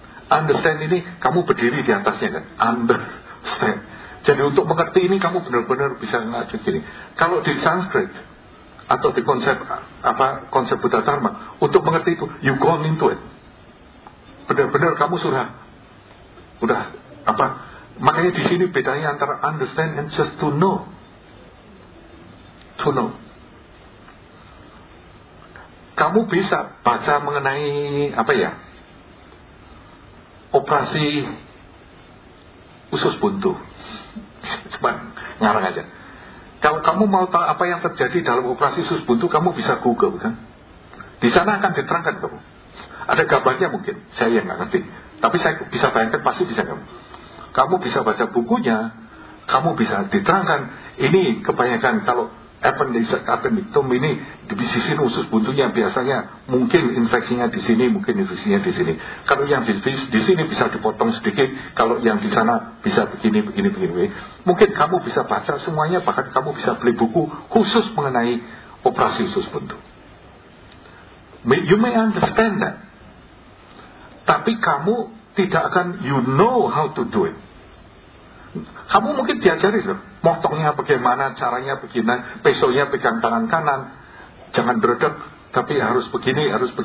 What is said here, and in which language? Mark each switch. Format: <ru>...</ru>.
<id>Understand ini kamu berdiri di atasnya kan, understand. Jadi untuk mengerti ini kamu benar-benar bisa ngaji gini. Kalau di Sanskrit atau di konsep apa konsep Buddha Dharma, untuk mengerti itu</id> <en>you gone into it.</en> <id>Benar-benar kamu sudah apa? Makanya di sini bedanya antara understand and just to know.</id> <en>To know.</en> <id>Kamu bisa baca mengenai apa ya operasi usus buntu, cuma ngarang aja. Kalau kamu mau tahu apa yang terjadi dalam operasi usus buntu, kamu bisa Google kan. Di sana akan diterangkan kamu. Ada gambarnya mungkin, saya yang nggak ngerti. Tapi saya bisa bayangkan pasti bisa kamu. Kamu bisa baca bukunya, kamu bisa diterangkan. Ini kebanyakan kalau appendicitum ini di sisi usus buntunya biasanya mungkin infeksinya di sini, mungkin infeksinya di sini. Kalau yang di sini bisa dipotong sedikit, kalau yang di sana bisa begini. Mungkin kamu bisa baca semuanya, bahkan kamu bisa beli buku khusus mengenai operasi usus buntu.</id> <en>You may understand that.</en> <id>Tapi kamu tidak akan</id> <en>you know how to do it.</en> <id>Kamu mungkin diajari loh, motongnya bagaimana, caranya begini, pesonya pegang tangan kanan, jangan berdek, tapi harus begini.</id>